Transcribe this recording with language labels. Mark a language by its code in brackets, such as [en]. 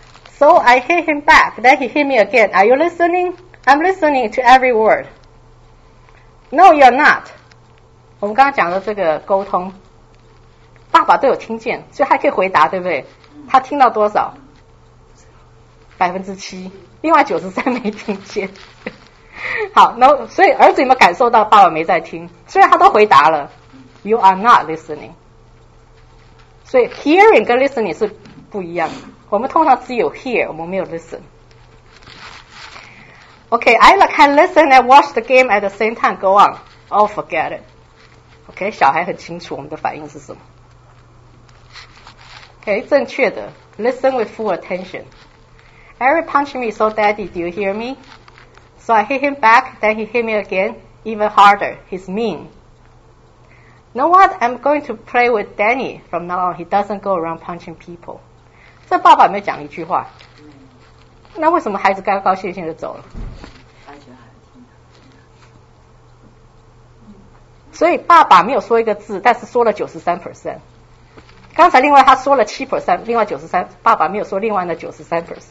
[en] So I hit him back, then he hit me again, are you listening? I'm listening to every word. No, you're not。 [zh] 我们刚刚讲的这个沟通爸爸都有听见，所以他可以回答，对不对？他听到多少？ 7%，另外93%没听见。好，那所以儿子有没有感受到爸爸没在听？虽然他都回答了 [en] You are not listening。 [zh] 所以 hearing 跟 listening 是不一样的，我们通常只有 hear， 我们没有 listen。 [en] OK， I can listen and watch the game at the same time, go on, oh forget it。 [zh] OK， 小孩很清楚我们的反应是什么。 [en] OK， [zh] 正确的 [en] listen with full attention。 Eric punched me, so daddy do you hear meSo I hit him back, then he hit me again, even harder. He's mean. Know what? I'm going to play with Danny from now on. He doesn't go around punching people. [zh] 这爸爸没有讲一句话。那为什么孩子高高兴兴就走了？所以爸爸没有说一个字，但是说了93%。刚才另外他说了7%，另外93%，爸爸没有说另外的93%。